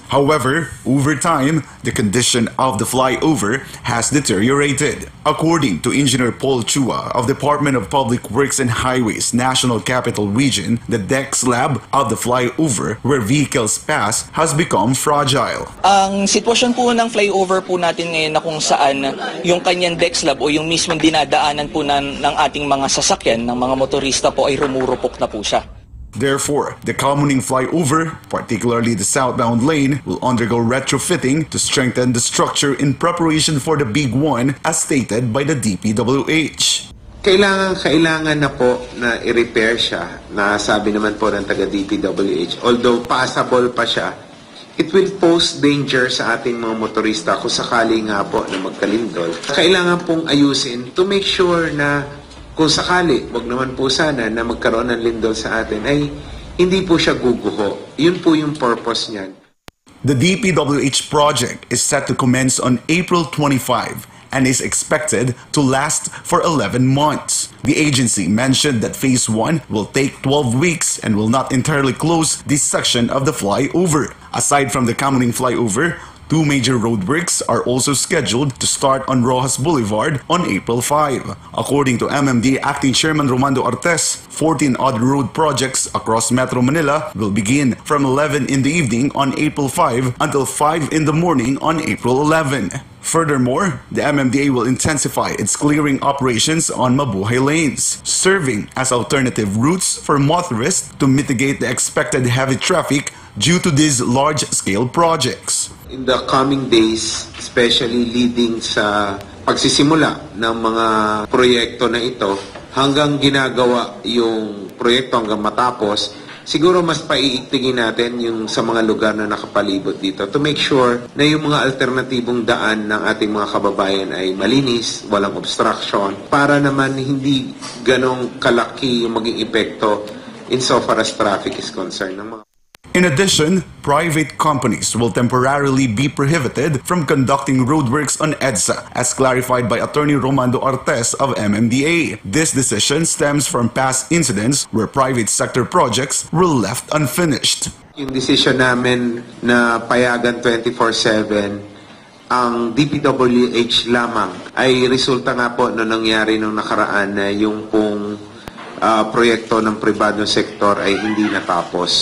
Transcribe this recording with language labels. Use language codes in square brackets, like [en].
[en] However, over time, the condition of the flyover has deteriorated. According to Engineer Paul Chua of Department of Public Works and Highways National Capital Region, the deck slab of the flyover where vehicles pass has become fragile. [tl] Ang sitwasyon po ng flyover po natin ngayon na kung saan yung kanyang deck slab o yung mismong dinadaanan po ng ating mga sasakyan, ng mga motorista po ay rumurupok na po siya. [en] Therefore, the Camarines flyover, particularly the southbound lane, will undergo retrofitting to strengthen the structure in preparation for the big one, as stated by the DPWH. [tl] Kailangan na po na i-repair siya, na sabi naman po ng taga DPWH, [en] although passable [tl] pa siya, [en] it will pose danger [tl] sa ating mga motorista kung sakali nga po na magkalindol. Kailangan pong ayusin [en] to make sure [tl] na kung sakali, wag naman po sana na magkaroon ng lindol sa atin, ay hindi po siya guguho. Yun po yung purpose niyan. [en] The DPWH project is set to commence on April 25 and is expected to last for 11 months. The agency mentioned that phase 1 will take 12 weeks and will not entirely close this section of the flyover. Aside from the Camarines flyover, two major roadworks are also scheduled to start on Rojas Boulevard on April 5. According to MMD Acting Chairman Romando Artes, 14 other road projects across Metro Manila will begin from 11 in the evening on April 5 until 5 in the morning on April 11. Furthermore, the MMDA will intensify its clearing operations on Mabuhay lanes, serving as alternative routes for motorists to mitigate the expected heavy traffic due to these large-scale projects. In the coming days, especially leading [tl] sa pagsisimula ng mga proyekto na ito, hanggang ginagawa yung proyekto hanggang matapos, siguro mas paiitingin natin yung sa mga lugar na nakapalibot dito [en] to make sure [tl] na yung mga alternatibong daan ng ating mga kababayan ay malinis, walang obstruction, para naman hindi ganong kalaki yung maging epekto [en] insofar as traffic is concerned [tl] ng mga. [en] In addition, private companies will temporarily be prohibited from conducting roadworks on EDSA, as clarified by Attorney Romando Artes of MMDA. This decision stems from past incidents where private sector projects were left unfinished. [tl] Yung decision namin na payagan 24/7, ang DPWH lamang ay resulta nga po na nangyari nung nakaraan na yung pong proyekto ng pribadong sektor ay hindi natapos.